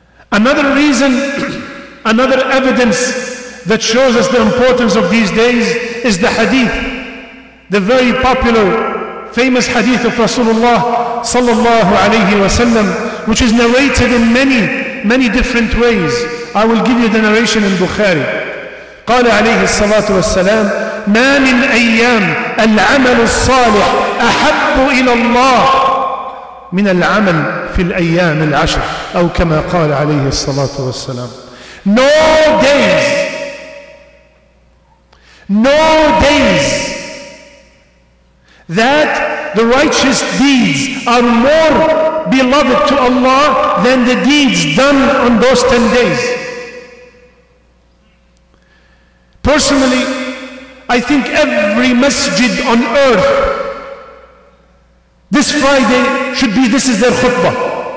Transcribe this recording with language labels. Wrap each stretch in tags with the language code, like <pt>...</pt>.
<en>Another reason, another evidence that shows us the importance of these days is the hadith, the very popular, famous hadith of Rasulullah sallallahu alayhi wa sallam, which is narrated in many, many different ways. I will give you the narration in Bukhari.</en> <ar>قال عليه الصلاة والسلام ما من أيام العمل الصالح أحب إلى الله من العمل في الأيام العشر. أو كما قال عليه الصلاة والسلام,</ar> <en>no days No days that the righteous deeds are more beloved to Allah than the deeds done on those 10 days. Personally, I think every masjid on earth this Friday should be, this is their khutbah.</en>